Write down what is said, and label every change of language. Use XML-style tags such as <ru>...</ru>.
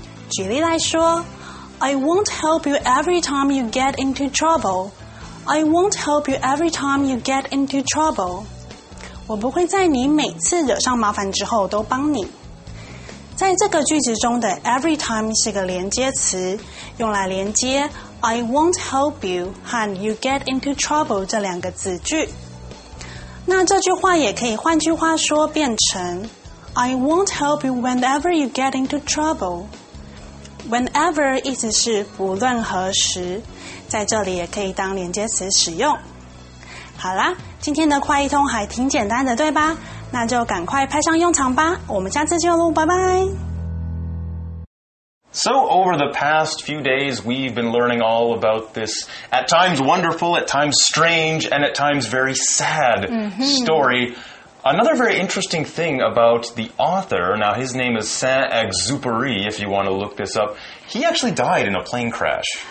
<zh>举例来说，</zh> <en>I won't help you every time you get into trouble. I won't help you every time you get into trouble.</en> <zh>我不会在你每次惹上麻烦之后都帮你。在这个句子中的 every time 是个连接词，用来连接</zh> <en>I won't help you</en> <zh>和</zh> <en>you get into trouble</en> <zh>这两个子句。那这句话也可以换句话说变成</zh> <en>I won't help you whenever you get into trouble.</en> <zh>Whenever 意思是不论何时，在这里也可以当连接词使用。好啦，今天的快译通还挺简单的，对吧？那就赶快派上用场吧，我们下次见喽，拜拜。</zh> <en>So over the past few days, we've been learning all about this at times wonderful, at times strange, and at times very sad story. Another very interesting thing about the author, now his name is Saint-Exupéry, if you want to look this up, he actually died in a plane crash.</en>